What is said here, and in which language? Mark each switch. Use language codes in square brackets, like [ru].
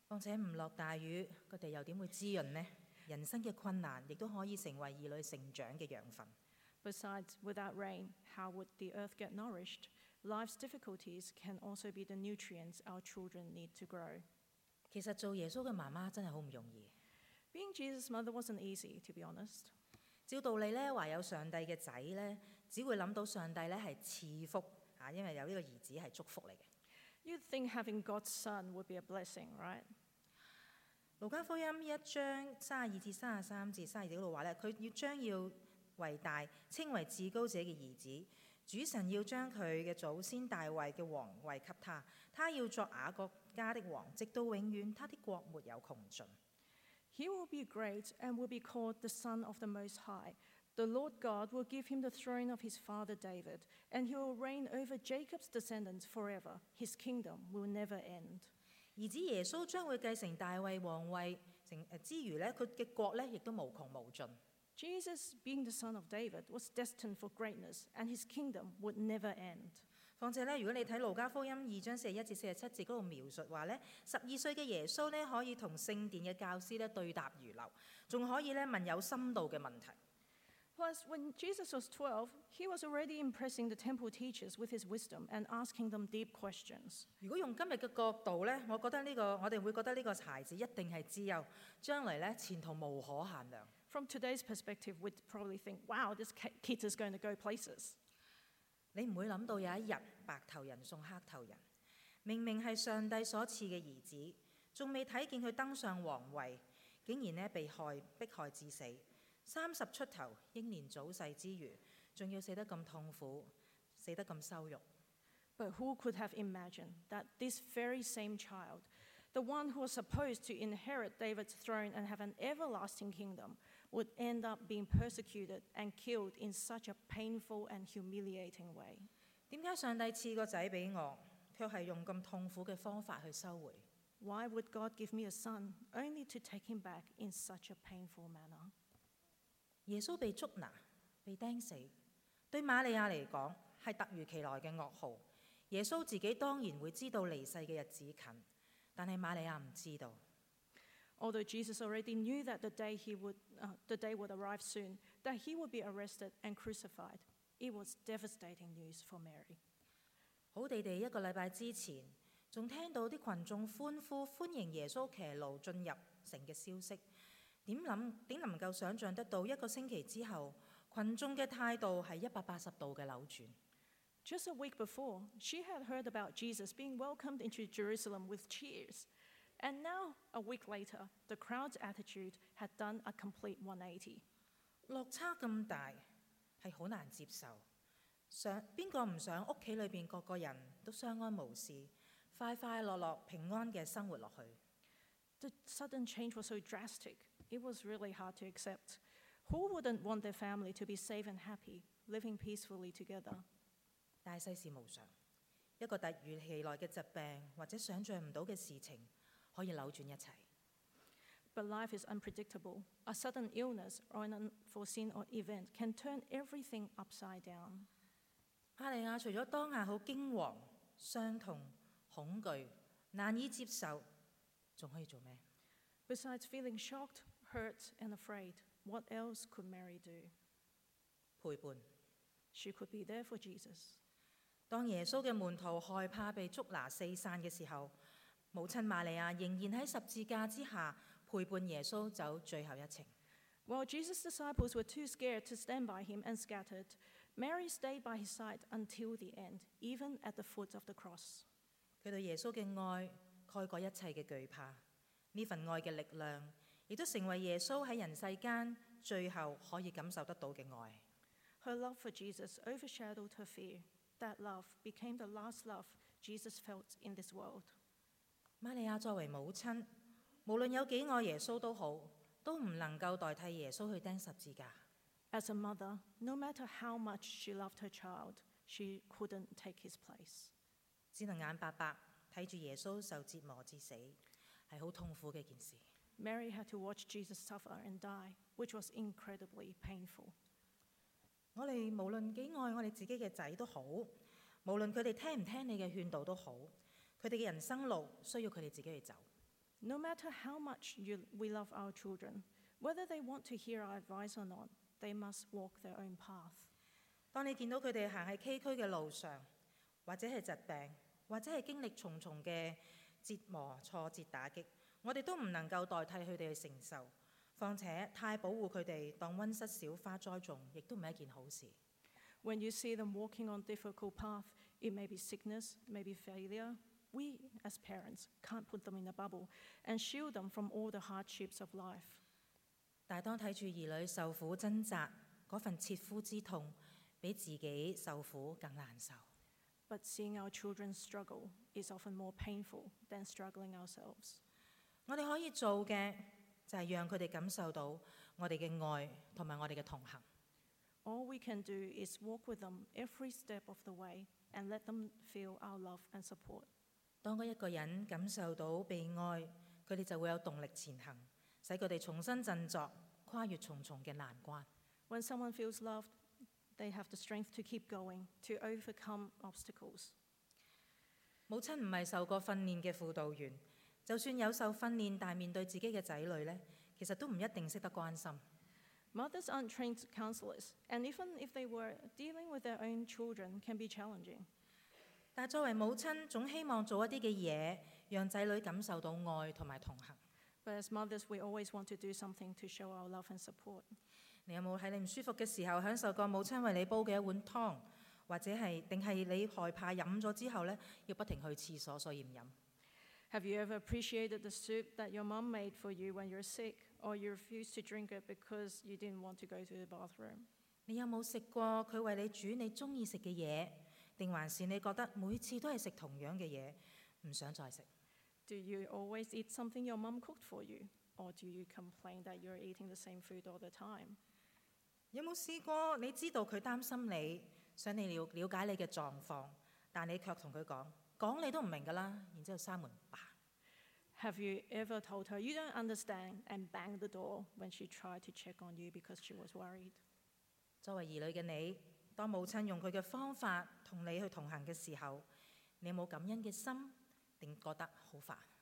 [yue] 况且不落大雨，个地又点会滋润呢？人生的困难亦都可以成为儿女成长的养分。 [en] Besides, without rain, how would the earth get nourished? Life's difficulties can also be the nutrients our children need to grow. [yue] 其实做耶稣的妈妈真的很不容易。 [en] Being Jesus' mother wasn't easy, to be honest. [yue] 照道理咧，怀有上帝的仔咧，只会谂到上帝咧系赐福啊，因为有呢个儿子系祝福嚟嘅。 [en] You'd think having God's son would be a blessing, right? [yue] 路加福音一章32-33节嗰度话咧，佢要将要为大，称为至高者嘅儿子，主神要将佢嘅祖先大卫嘅王位给他，他要作雅各家的王，直到永远，他的国没有穷尽。 [en] He will be great and will be called the Son of the Most High. The Lord God will give him the throne of his father David, and he will reign over Jacob's descendants forever. His kingdom will never end. [yue] 儿子耶稣将会继承大卫王位之余，他的国亦都无穷无尽。 [en] Jesus, being the son of David, was destined for greatness, and his kingdom would never end. [yue] 况且如果你看路加福音2:41-47的描述，12岁的耶稣可以与圣殿的教师对答如流，还可以问有深度的问题。 [en] Plus, when Jesus was 12, he was already impressing the temple teachers with his wisdom and asking them deep questions. [yue] 如果用今日的角度呢，我觉得这个，我们会觉得这个孩子一定是智幼，将来呢，前途无可限量。 [en] From today's perspective, we'd probably think, wow, this kid is going to go places. [yue] 你不会想到有一天，白头人送黑头人，明明是上帝所赐的儿子，还没看见他登上王位，竟然呢，被害，迫害致死。 30出头，英年早逝之余，还要死得咁痛苦，死得咁羞辱。 [en] But who could have imagined that this very same child, the one who was supposed to inherit David's throne and have an everlasting kingdom, would end up being persecuted and killed in such a painful and humiliating way? [yue] 点解上帝赐个仔俾我，却系用咁痛苦嘅方法去收回 [en] ？Why would God give me a son only to take him back in such a painful manner? [yue] 耶稣被捉拿，被钉死，对玛利亚来说是突如其来的噩耗。耶稣自己当然会知道离世的日子近，但是玛利亚不知道。 [en] Although Jesus already knew that the day would arrive soon, that he would be arrested and crucified, it was devastating news for Mary. [yue] 好地地一个礼拜之前，还听到群众欢呼欢迎耶稣骑驴进入城的消息。怎能够想象得到一个星期之后，群众的态度是180度的扭转。 [en] Just a week before, she had heard about Jesus being welcomed into Jerusalem with cheers. And now, a week later, the crowd's attitude had done a complete 180. [yue] 落差这么大，是很难接受。谁不想家里面各个人都相安无事，快快乐乐平安的生活下去。 [en] The sudden change was so drastic. It was really hard to accept. Who wouldn't want their family to be safe and happy, living peacefully together? [yue] 大世事无常，一个突如其来的疾病或者想象不到的事情可以扭转一切。 [en] But life is unpredictable. A sudden illness or an unforeseen event can turn everything upside down. [yue] 哈利亞除了當下很驚惶、傷痛、恐懼、難以接受，還可以做什麼？ [en] Besides feeling shocked, hurt and afraid, what else could Mary do? [yue] 陪伴。 [en] She could be there for Jesus. [yue] 當耶穌的門徒害怕被捉拿四散的時候，母親瑪利亞仍然在十字架之下陪伴耶穌走最後一程。 [en] While Jesus' disciples were too scared to stand by him and scattered, Mary stayed by his side until the end, even at the foot of the cross. [yue] 她對耶穌的愛蓋過一切的懼怕，這份愛的力量也都成為耶穌在人世間最後可以感受得到的愛。 [en] Her love for Jesus overshadowed her fear. That love became the last love Jesus felt in this world. [yue] 瑪利亞作為母親，無論有多愛耶穌都好，都不能夠代替耶穌去釘十字架。 [en] As a mother, no matter how much she loved her child, she couldn't take his place. [yue] 只能眼白白看著耶穌受折磨至死，是很痛苦的一件事。 [en] Mary had to watch Jesus suffer and die, which was incredibly painful. [yue] 我們無論多愛我們自己的兒子都好，無論他們聽不聽你的勸導都好，他們的人生路需要他們自己去走。 [en] No matter how much we love our children, whether they want to hear our advice or not, they must walk their own path. [yue] 當你見到他們走在 K 區的路上，或者是疾病，或者是經歷重重的折磨、挫折、打擊，我們都不能夠代替他們去承受。況且太保護他們當溫室小花栽種也不是一件好事。 [en] When you see them walking on difficult path, it may be sickness, maybe failure. We, as parents, can't put them in a bubble and shield them from all the hardships of life. [yue] 但當看著兒女受苦掙扎，那份切膚之痛比自己受苦更難受。 [en] But seeing our children struggle is often more painful than struggling ourselves. [yue] 我們可以做的就是讓他們感受到我們的愛和我們的同行。 [en] All we can do is walk with them every step of the way and let them feel our love and support. [yue] 當一個人感受到被愛，他們就會有動力前行，使他們重新振作，跨越重重的難關。 [en] When someone feels loved, they have the strength to keep going, to overcome obstacles. [yue] 母親不是受過訓練的輔導員，就算有受訓練但面對自己的子女，其實都不一定懂得關心。 [en] Mothers aren't trained counselors, and even if they were, dealing with their own children can be challenging. [yue] 但作為母親，總希望做一啲嘅嘢，讓仔女感受到愛同埋同行。 [en] But as mothers, we always want to do something to show our love and support. [yue] 你有冇喺你唔舒服嘅時候，享受過母親為你煲嘅一碗湯，或者係定係你害怕飲咗之後咧，要不停去廁所，所以唔飲 [en] ？Have you ever appreciated the soup that your mom made for you when you're sick, or you refuse to drink it because you didn't want to go to the bathroom？ [yue] 你有冇食過佢為你煮你中意食嘅嘢？定還是你覺得每次都係食同樣嘅嘢，唔想再食 [en] ？Do you always eat something your mum cooked for you, or do you complain that you're eating the same food all the time？ [yue] 有冇試過你知道佢擔心你，想你了解你嘅狀況，但你卻同佢講你都唔明㗎啦，然之後閂門吧 [en] ？Have you ever told her you don't understand and bang the door when she tried to check on you because she was worried？ [yue] 作為兒女嘅你。當母親用她的方法和你去同行的時候，你有沒有感恩的心，還覺得很煩？